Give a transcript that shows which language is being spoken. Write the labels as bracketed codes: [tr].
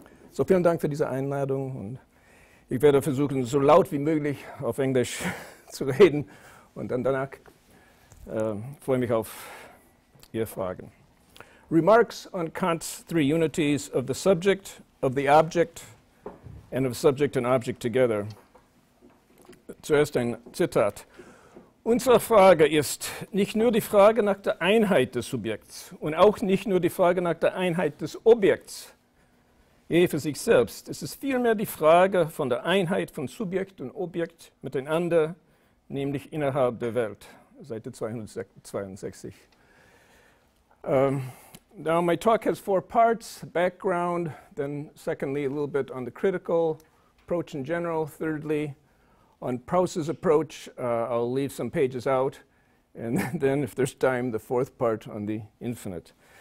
[de] So vielen Dank für diese Einladung und ich werde versuchen, so laut wie möglich auf Englisch zu reden und dann danach freue ich mich auf Ihre Fragen. [en] Remarks on Kant's three unities of the subject, of the object, and of subject and object together. [de] Zuerst ein Zitat. Unsere Frage ist nicht nur die Frage nach der Einheit des Subjekts und auch nicht nur die Frage nach der Einheit des Objekts, je für sich selbst. Es ist vielmehr die Frage von der Einheit von Subjekt und Objekt miteinander, nämlich innerhalb der Welt. Seite 262. [en] Now, my talk has four parts, background, then secondly, a little bit on the critical approach in general, thirdly, on Proust's approach, I'll leave some pages out, and then if there's time, the fourth part on the infinite.